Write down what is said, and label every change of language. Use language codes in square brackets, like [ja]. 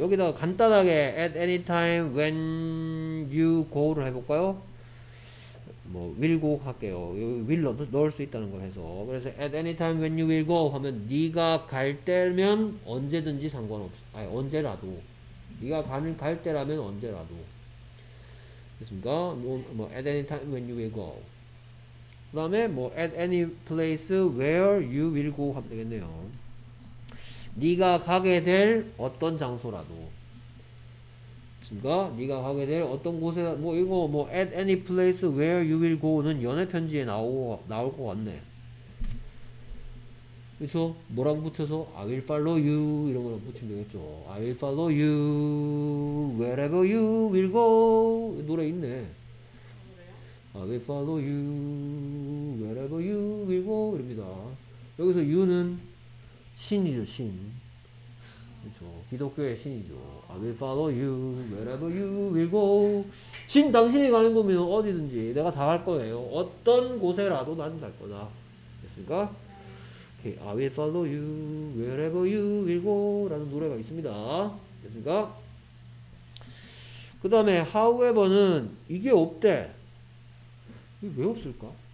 [ko] 여기다가 간단하게, [en] at any time when you go [ko] 를 해볼까요? 뭐, will go 할게요. 여기 will 넣을 수 있다는 걸 해서. 그래서, [en] at any time when you will go [ko] 하면, 네가 갈 때면 언제든지 상관없어. 아니, 언제라도. 네가 갈 때라면 언제라도. 됐습니까? [en] 뭐, at any time when you will go. [ko] 그 다음에, 뭐, [en] at any place where you will go [ko] 하면 되겠네요. 네가 가게 될 어떤 장소라도. 네가 가게 될 어떤 곳에 뭐 이거 뭐 [en] at any place where you will go [ko] 는 연애 편지에 나올 것 같네. 그렇죠? 뭐라고 붙여서 [en] I will follow you [ko] 이런 거 붙이면 되겠죠. [en] I will follow you wherever you will go. [ko] 노래 있네. [en] I will follow you wherever you will go [ko] 이럽니다. 여기서 you는 신이죠, 신. 그렇죠. 기독교의 신이죠. [en] I will follow you wherever you will go. [ko] 신 당신이 가는 거면 어디든지 내가 다 갈 거예요. 어떤 곳에라도 나는 갈 거다. 됐습니까? [en] Okay. I will follow you wherever you will go [ko] 라는 노래가 있습니다. 됐습니까? 그 다음에 however는 이게 없대. 이게 왜 없을까?